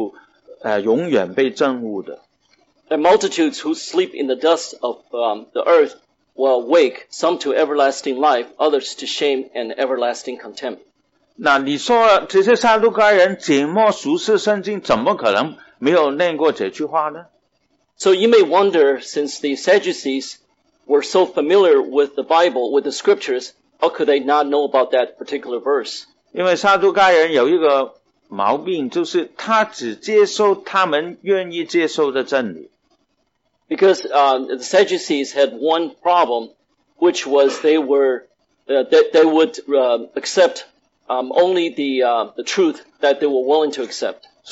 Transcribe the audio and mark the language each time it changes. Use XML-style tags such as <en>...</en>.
<zh>这里说，睡在尘埃中的必有许多人复醒，其中有的永生的，有受受辱，永远被证悟的。</zh> <en>The multitudes who sleep in the dust of the earth. Will awake some to everlasting life, others to shame and everlasting contempt.</en> <zh>那你说这些撒都该人紧握熟识圣经，怎么可能没有念过这句话呢？</zh> <en>So you may wonder, since the Sadducees were so familiar with the Bible, with the scriptures, how could they not know about that particular verse?</en> <zh>因为撒都该人有一个毛病，就是他只接受他们愿意接受的真理。</zh> <en>Because the Sadducees had one problem, which was they would accept only the truth that they were willing to accept.</en>